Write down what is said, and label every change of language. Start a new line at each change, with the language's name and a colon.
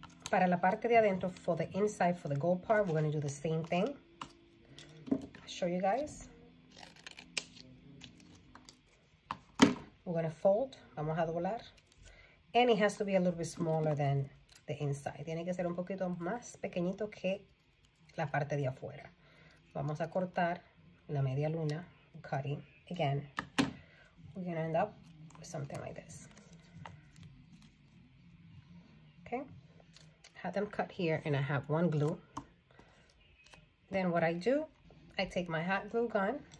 Spanish: Para la parte de adentro,
English: for the inside, for the gold part, we're going to do the same thing. I'll show you guys. We're going to fold.
Spanish: Vamos a doblar.
English: And it has to be a little bit smaller than the inside.
Spanish: Tiene que ser un poquito más pequeñito que la parte de afuera. Vamos a cortar la media luna. Cutting.
English: Again, we're going to end up with something like this. Okay. Have them cut here and I have one glue. Then what I do, I take my hot glue gun.